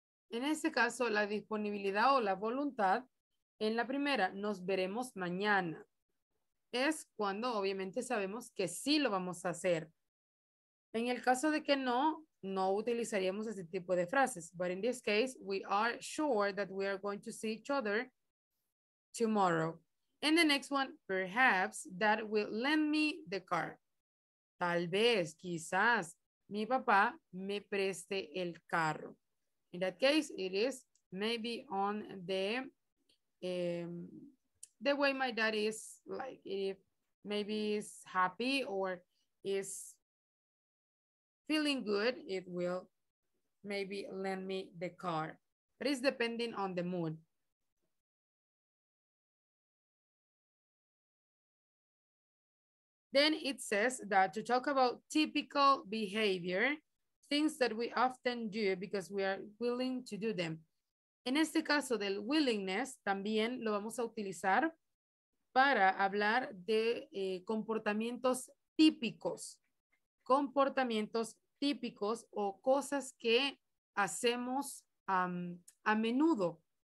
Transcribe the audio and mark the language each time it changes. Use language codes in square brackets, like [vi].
[es] En este caso, la disponibilidad o la voluntad, en la primera, nos veremos mañana. Es cuando obviamente sabemos que sí lo vamos a hacer. En el caso de que no, no utilizaríamos este tipo de frases. [en] But in this case, we are sure that we are going to see each other tomorrow. And the next one, perhaps, that will lend me the car. [es] Tal vez, quizás, mi papá me preste el carro. [en] In that case, it is maybe on the way my dad is, like, if maybe is happy or is feeling good, it will maybe lend me the car. But it's depending on the mood. Then it says that to talk about typical behavior, things that we often do because we are willing to do them. [es] En este caso del willingness, también lo vamos a utilizar para hablar de comportamientos típicos. Comportamientos típicos o cosas que hacemos a menudo.